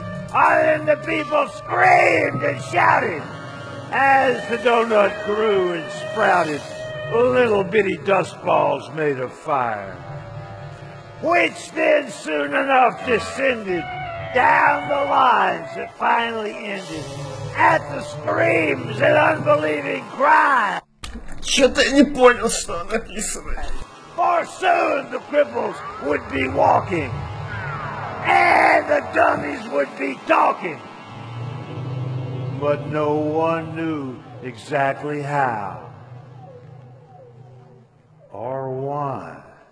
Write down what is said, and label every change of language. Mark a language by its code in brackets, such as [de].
[en] And the people screamed and shouted as the donut grew and sprouted little bitty dust balls made of fire, which then soon enough descended down the lines that finally ended at the screams and unbelieving cries. [ru] Что-то я не понял, что он описывает. [en] For soon the cripples would be walking, and the dummies would be talking, but no one knew exactly how or why.